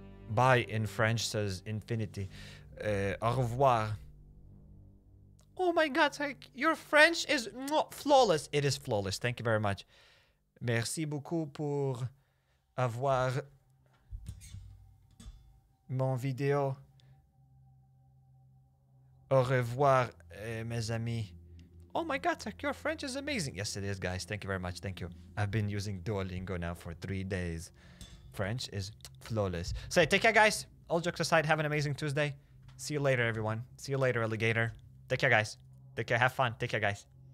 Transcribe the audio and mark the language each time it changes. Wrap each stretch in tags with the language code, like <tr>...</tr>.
<en>Bye in French says infinity.</en> <fr>Au revoir.</fr> <en>Oh my god, like, your French is flawless. It is flawless. Thank you very much.</en> <fr>Merci beaucoup pour avoir mon vidéo. Au revoir, mes amis.</fr> <en>Oh my god, Sark, your French is amazing. Yes, it is, guys. Thank you very much. Thank you. I've been using Duolingo now for 3 days. French is flawless. Say, take care, guys. All jokes aside, have an amazing Tuesday. See you later, everyone. See you later, alligator. Take care, guys. Take care. Have fun. Take care, guys.</en>